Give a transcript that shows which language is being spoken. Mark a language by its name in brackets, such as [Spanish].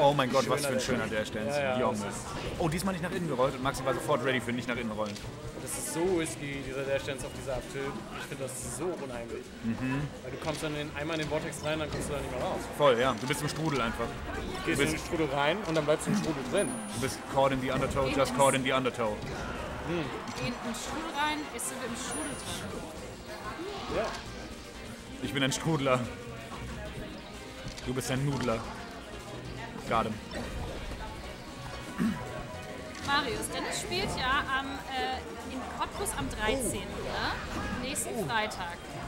[German] Oh mein Gott, schöner, was für ein schöner Dash-Dance. Ja, ja, oh, diesmal nicht nach innen gerollt und Maxi war sofort ready für nicht nach innen rollen. Das ist so risky, dieser Dash-Dance auf dieser Abtil. Ich finde das so unheimlich. Mhm. Weil du kommst dann einmal in den Vortex rein, dann kommst du da nicht mehr raus. Voll, ja. Du bist im Strudel einfach. Du gehst in den Strudel rein und dann bleibst du im Strudel drin. Du bist [English] caught in the undertow, just caught in the undertow. [German] In den Strudel rein, ist du im Strudel drin. Ja. Ich bin ein Strudler. Du bist ein Nudler. Gerade. Marius, Dennis spielt ja in Cottbus am 13., ne? Nächsten Freitag.